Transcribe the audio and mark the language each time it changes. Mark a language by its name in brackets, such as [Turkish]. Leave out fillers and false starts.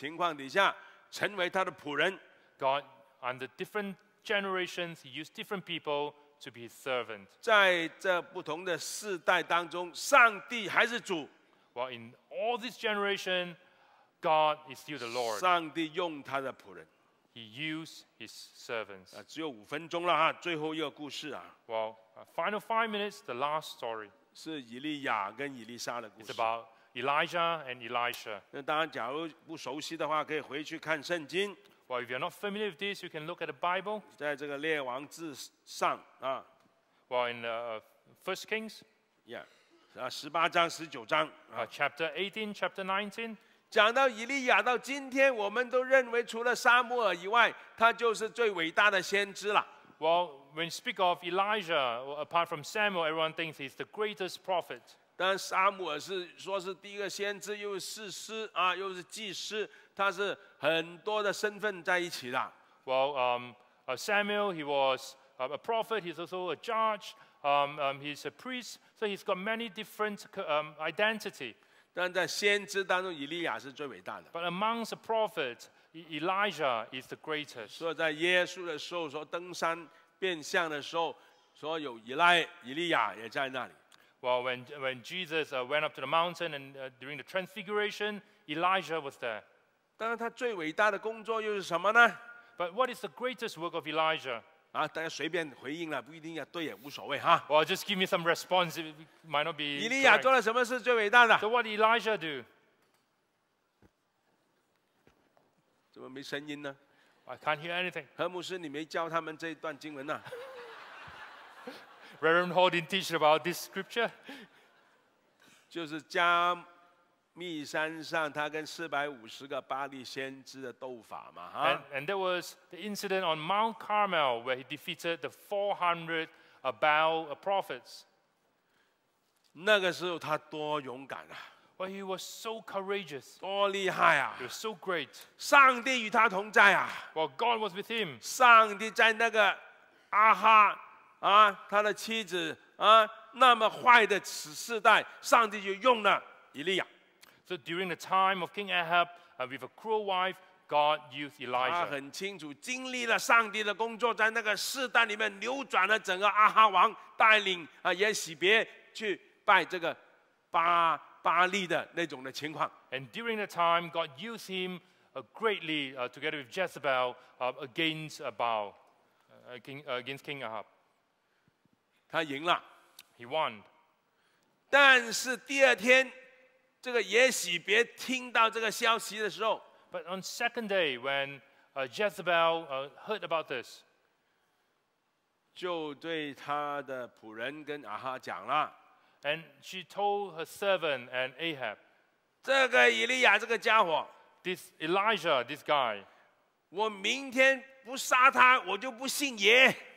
[Chinese] 上帝就是使用不同的人在不同的情况底下成为他的仆人。 [English] God, under different generations, he used different people to be his servant. [Chinese] 在这不同的世代当中, 上帝还是主。 [English] Well, in all this generation, God is still the Lord. [Chinese] 上帝用他的仆人。 [English] He used his servants. [Chinese] 只有五分钟了, 最后一个故事啊。 [English] Well, final 5 minutes, the last story. [Chinese] 是以利亚跟以利沙的故事。 [English] It's about Elijah and Elisha. [Chinese] 那当然假如不熟悉的话, 可以回去看圣经。 [English] Well, if you're not familiar with this, you can look at the Bible. [Chinese] 在这个列王志上, [English] Well, in the First Kings. [Chinese] Yeah. 18章, 19章, [English] chapter 18, chapter 19. [Chinese] 讲到以利亚，到今天我们都认为除了撒母耳以外，他就是最伟大的先知了。 [English] Well, when you speak of Elijah, apart from Samuel, everyone thinks he's the greatest prophet. [Chinese] 但撒母耳是说是第一个先知，又是士师啊，又是祭司，他是很多的身份在一起的。 [English] Well, Samuel, he was a prophet. He's also a judge. He's a priest. So he's got many different identity. [Chinese] 但在先知当中，以利亚是最伟大的。 [English] But amongst the prophets, Elijah is the greatest. [Chinese] 所以在耶稣的时候，说登山变相的时候，说有以利亚也在那里。 [English] Well, when Jesus went up to the mountain and during the transfiguration, Elijah was there. [Chinese] 但他最伟大的工作又是什么呢 [English] ？But what is the greatest work of Elijah? [Chinese] 啊，大家随便回应了，不一定要对，也无所谓哈。 [English] Well, just give me some response. Might not be. [Chinese] 以利亚做了什么事最伟大的 [English] ？So what did Elijah do? [Chinese] 怎么没声音呢 [English] ？I can't hear anything. [Chinese] 何牧师，你没教他们这一段经文呐 [English] ？Reverend Hall didn't teach about this scripture. [Chinese] 就是加密山上他跟450个巴利先知的斗法嘛、huh? [English] And there was the incident on Mount Carmel where he defeated the 400 Baal prophets. [Chinese] 那个时候他多勇敢啊 [English] Well, he was so courageous. [Chinese] 多厉害啊 [English] He was so great. [Chinese] 上帝与他同在啊 [English] Well, God was with him. [Chinese] 上帝在那个阿哈、啊、他的妻子、啊、那么坏的此世代上帝就用了以利亚 [English] So during the time of King Ahab, with a cruel wife, God used Elijah. [Chinese] 他很清楚经历了上帝的工作，在那个世代里面扭转了整个阿哈王，带领耶洗别去拜这个巴利的那种的情况。 [English] And during the time, God used him greatly together with Jezebel against Baal, against King Ahab. [Chinese] 他赢了 [English] ，He won. [Chinese] 但是第二天。这个耶洗别听到这个消息的时候 [English] ，But on second day when Jezebel heard about this， [Chinese] 就对他的仆人跟阿哈讲了 [English] ，And she told her servant and Ahab， [Chinese] 这个以利亚这个家伙 [English] ，This Elijah this guy， [Chinese] 我明天不杀他，我就不信耶。